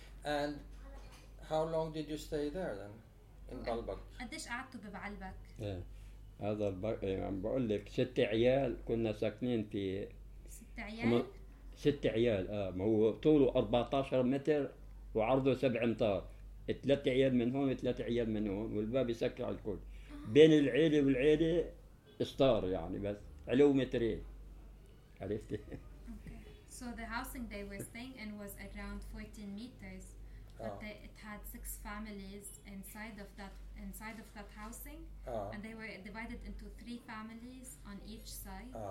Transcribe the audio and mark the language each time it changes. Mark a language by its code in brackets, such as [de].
[en] And how long did you stay there then? In Balbak? [ar] قديش قعدتوا ببعلبك؟ هذا عم بقول لك ست عيال كنا ساكنين في ست عيال ما هو طوله 14 متر وعرضه 7 امتار ثلاث عيال من هون وثلاث عيال من هون والباب يسكر على الكل بين العيله والعيله استار يعني بس علو مترين عرفتي [en] So the housing they were staying in was around 14 meters but they, it had six families inside of that housing and they were divided into three families on each side